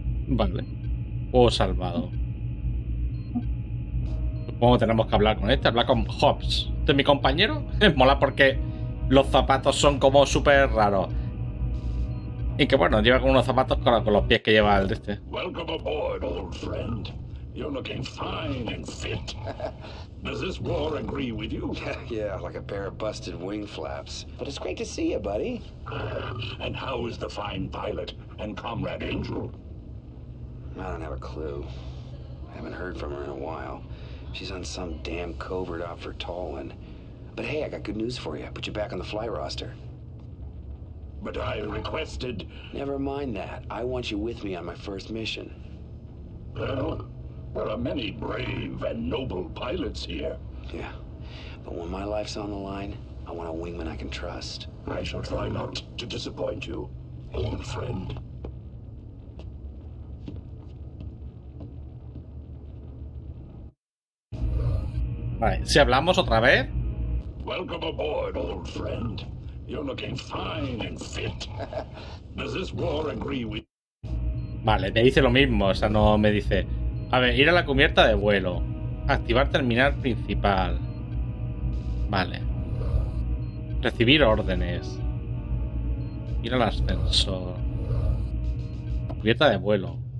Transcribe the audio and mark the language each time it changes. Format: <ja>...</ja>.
<es>Vale. Juego salvado. Supongo que tenemos que hablar con este. Hablar con Hobbs. ¿Este es mi compañero? Mola porque los zapatos son como súper raros. Y que bueno, lleva como unos zapatos con los pies que lleva el de este.</es> <en>Welcome aboard, old friend. You're looking fine and fit. Does this war agree with you? Yeah, like a pair of busted wing flaps. But it's great to see you, buddy. And how is the fine pilot and comrade Angel? I don't have a clue. I haven't heard from her in a while. She's on some damn covert op for Tallinn. But hey, I got good news for you. I put you back on the fly roster. But I requested... Never mind that. I want you with me on my first mission. Well, there are many brave and noble pilots here. Yeah. But when my life's on the line, I want a wingman I can trust. I shall try not to disappoint you, old friend.</en> <es>Vale, si hablamos otra vez.</es> <en>Welcome aboard, old friend. You're looking fine and fit. Does this war agree with...</en> <es>Vale, me dice lo mismo, o sea, no me dice. A ver, ir a la cubierta de vuelo. Activar terminal principal. Vale. Recibir órdenes. Ir al ascensor. Cubierta de vuelo.</es>